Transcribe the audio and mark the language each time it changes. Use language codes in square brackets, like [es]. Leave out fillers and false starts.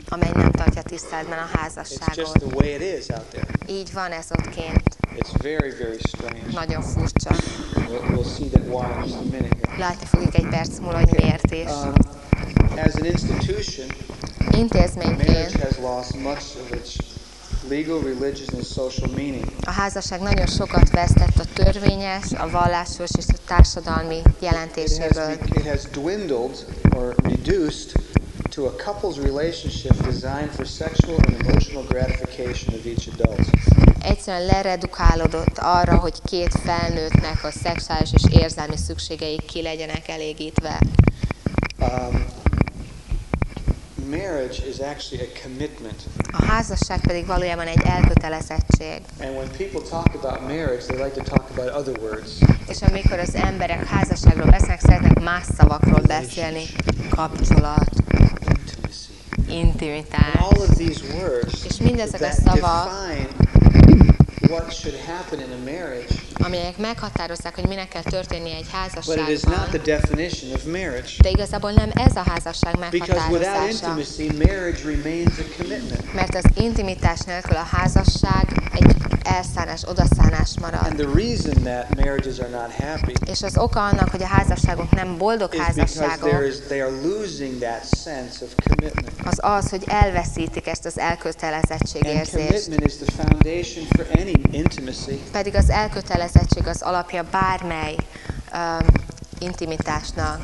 [hu] Amely nem tartja tiszteletben a házasságot. [en] It's just the way it is out there. [hu] Így van ez ott kint. [en] It's very, very strange. [hu] Nagyon furcsa. [en] We'll see that why in just a minute. [hu] Látni fogjuk egy perc múlva, hogy miért is. [en] As an institution, [hu] intézményként, [en] marriage has lost much of its legal, religious and social meaning. [hu] A házasság nagyon sokat vesztett a törvényes, a vallásos és a társadalmi jelentéséből. [en] It has dwindled or reduced to a couple's relationship designed for sexual and emotional gratification of each adult. [hu] Egyszerűen leredukálódott arra, hogy két felnőttnek a szexuális és érzelmi szükségeik ki legyenek elégítve. [en] Marriage is actually a commitment. [hu] A házasság pedig valójában egy elkötelezettség. [en] And when people talk about marriage, they like to talk about other words. [hu] És amikor az emberek házasságról beszélnek, szeretnek más szavakról beszélni. Kapcsolat. [en] Intimitás. And all of these words, [hu] és mindezek a szavak, [en] define what should happen in a marriage, [hu] amelyek meghatározzák, hogy minek kell történnie egy házasságban. [en] But it is not the definition of marriage. [hu] De igazából nem ez a házasság meghatározása. [en] Because without intimacy, marriage remains a commitment. [hu] Mert az intimitás nélkül a házasság egy elszánás, odaszánás marad. [en] And the reason that marriages are not happy, [hu] és az oka annak, hogy a házasságok nem boldog házasságok, [en] they are losing that sense of commitment. [hu] Az az, hogy elveszítik ezt az elkötelezettségérzést. [en] And commitment is the foundation for any intimacy. [hu] Pedig az elkötelezettség az alapja bármely intimitásnak.